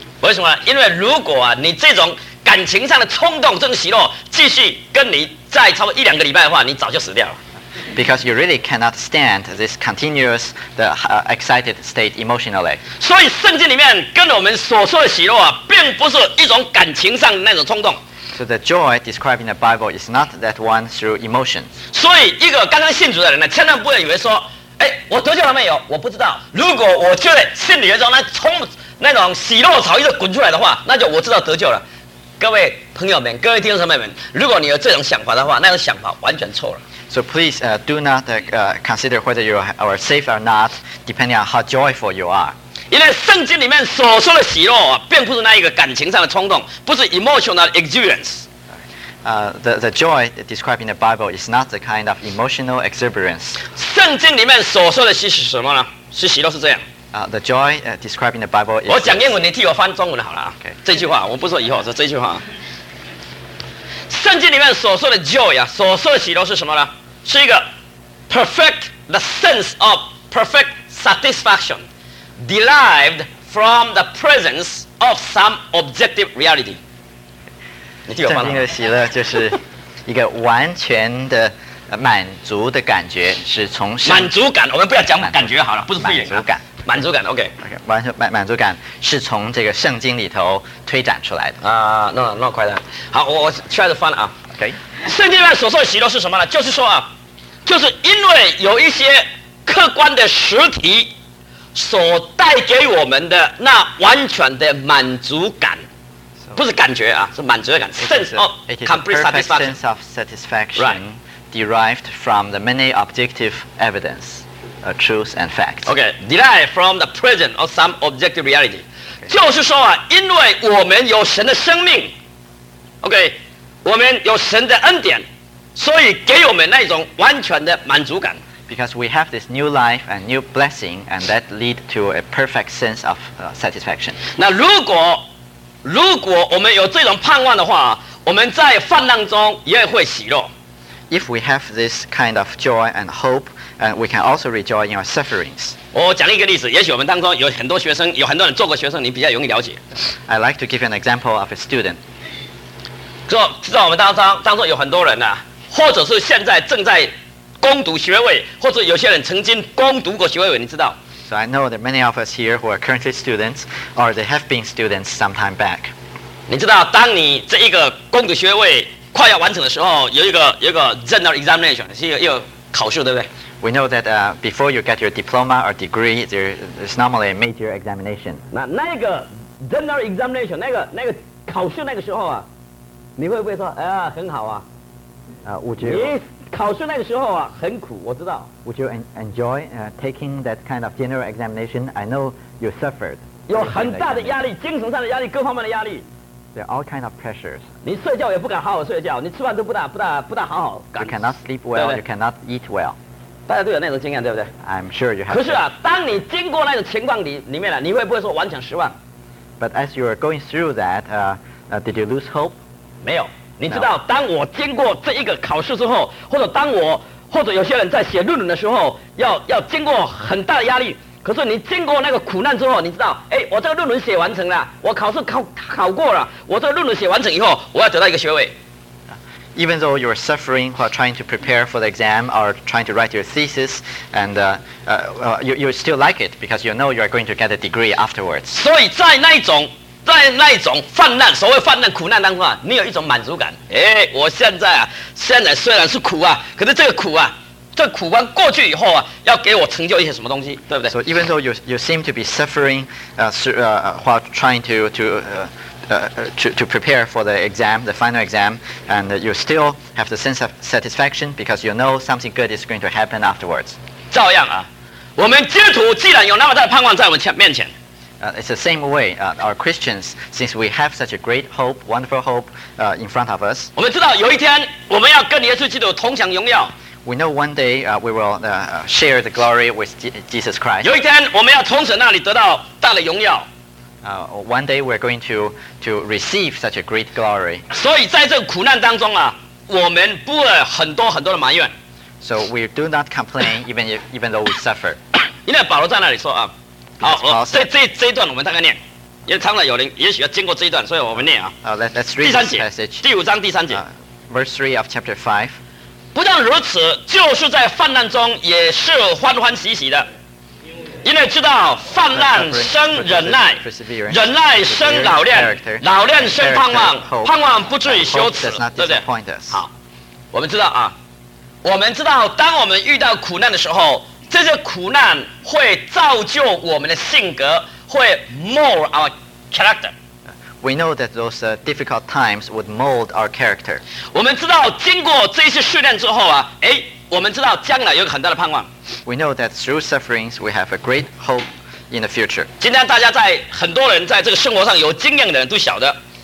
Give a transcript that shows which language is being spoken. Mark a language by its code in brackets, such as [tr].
[zh] 为什么？因为如果啊，你这种感情上的冲动跟喜乐继续跟你再超过一两个礼拜的话，你早就死掉了。 [en] Because you really cannot stand this continuous, the excited state emotionally. [zh] 所以圣经里面跟我们所说的喜乐啊，并不是一种感情上的那种冲动。 [en] So the joy described in the Bible is not that one through emotion. [zh] 所以一个刚刚信主的人呢，千万不要以为说，哎，我得救了没有？我不知道。如果我就在心里中那种喜乐潮一直滚出来的话，那就我知道得救了。各位朋友们，各位弟兄姊妹们，如果你有这种想法的话，那种想法完全错了。 [en] So please do not consider whether you are safe or not, depending on how joyful you are. [zh] 因为圣经里面所说的喜乐，并不是那一个感情上的冲动，不是 [en] emotional exuberance. The joy described in the Bible is not the kind of emotional exuberance. [zh] 圣经里面所说的喜是什么呢？是喜乐是这样。 [en] The joy described in the Bible is. [zh] 我讲英文，你替我翻中文好了。 [en] Okay. [zh] 这句话，我不说以后，说这句话。圣经里面所说的 joy 啊，所说的喜乐是什么呢？是一个 [en] perfect the sense of perfect satisfaction derived from the presence of some objective reality。 [zh] 圣经的喜乐就是一个完全的满足的感觉，是从满足感。我们不要讲感觉好了，不是满足感。满足感 ，OK，OK，、 [en] okay. [zh] okay, 满足感是从这个圣经里头推展出来的啊。No, 快点。好，我 [en] try to find [zh] 啊。 [en] OK， [zh] 圣经里面所说的喜乐是什么呢？就是说啊，就是因为有一些客观的实体所带给我们的那完全的满足感， so, 不是感觉啊，是满足的感觉。 [en] Sense of complete satisfaction. Sense of satisfaction、right. derived from the many objective evidence. Truth and facts. Okay, derived from the presence of some objective reality.、Okay. [zh] 就是说啊，因为我们有神的生命 ，Okay， 我们有神的恩典，所以给我们那种完全的满足感。 [en] Because we have this new life and new blessing, and that lead to a perfect sense of satisfaction. [zh] 那如果我们有这种盼望的话，我们在患难中也会喜乐。 [en] If we have this kind of joy and hope. And we can also rejoice in our sufferings. [zh] 我讲一个例子，也许我们当中有很多学生，有很多人做过学生，你比较容易了解。 [en] I'd like to give an example of a student. [zh] 知道我们当中有很多人啊，或者是现在正在攻读学位，或者有些人曾经攻读过学位，你知道。 [en] So I know that many of us here who are currently students, or they have been students some time back. [zh] 你知道，当你这一个攻读学位快要完成的时候，有一个 [en] general examination， [zh] 是一个又考试，对不对？ [en] We know that before you get your diploma or degree, there is normally a major examination. [zh] 那个 [en] general examination, [zh] 那个考试那个时候啊，你会不会说，哎呀，很好啊？ [en] Would you? [zh] 你考试那个时候啊，很苦，我知道。 [en] Would you enjoy taking that kind of general examination? I know you suffered. [zh] 有很大的压力，精神上的压力，各方面的压力。 [en] There are all kinds of pressures. [zh] 你睡觉也不敢好好睡觉，你吃饭都不大好好。 [en] You cannot sleep well. You cannot eat well. [zh] 大家都有那种经验，对不对 [en] ？I'm sure you have. [zh] 可是啊，当你经过那种情况里面了，你会不会说完全失望 [en] ？But as you are going through that, did you lose hope? [zh] 没有。你知道， no. 当我经过这一个考试之后，或者当我或者有些人在写论文的时候，要经过很大的压力。可是你经过那个苦难之后，你知道，哎，我这个论文写完成了，我考试考过了，我这个论文写完成以后，我要得到一个学位。 [en] Even though you are suffering while trying to prepare for the exam or trying to write your thesis, and you still like it because you know you are going to get a degree afterwards. [zh] 所以在那一种患难，所谓患难苦难当中啊，你有一种满足感。哎，我现在虽然是苦啊，可是这个苦啊，这苦关过去以后啊，要给我成就一些什么东西，对不对 [en] ？So even though you seem to be suffering, while trying to prepare for the exam, the final exam, and you still have the sense of satisfaction because you know something good is going to happen afterwards. [zh] 照样啊，我们基督徒既然有那么大的盼望在我们面前 [en] it's the same way. Our Christians, since we have such a great hope, wonderful hope, in front of us, [zh] 我们知道有一天我们要跟耶稣基督同享荣耀。 [en] We know one day we will share the glory with Jesus Christ. [zh] 有一天我们要从神那里得到大的荣耀。 [en] One day we're going to receive such a great glory. [zh] 所以在这个苦难当中啊，我们不会很多很多的埋怨。 [en] So we do not complain even though we suffer. [zh] 因为保罗在那里说啊，好，这一段我们大概念。因为常常有人也许要经过这一段，所以我们念啊。 [en] Let's read this passage. [zh] 第五章第三节。 [en] Verse 3 of chapter 5. [zh] 不但如此，就是在患难中也是欢欢喜喜的，因为知道患难生忍耐，忍耐生老练，老练生盼望，盼望不至于羞耻，对不对？好，我们知道啊，我们知道，当我们遇到苦难的时候，这些苦难会造就我们的性格，会 [en] mold our character。 We know that those difficult times would mold our character. [zh] 我们知道经过这些试炼之后啊，哎，我们知道将来有很大的盼望。 [en] We know that through sufferings we have a great hope in the future. [zh] 今天大家在很多人在这个生活上有经验的人都晓得。